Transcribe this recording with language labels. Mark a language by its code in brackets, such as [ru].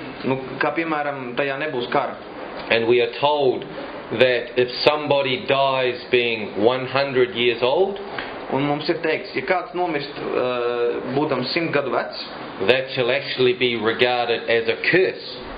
[lv] Nu, kā piemēram, tajā nebūs kara. [en] And we are told that if somebody dies being 100 years old, [lv] un mums ir teikts, ja kāds nomirst būdams 100 gadu vecs, [en] that shall actually be regarded as a curse.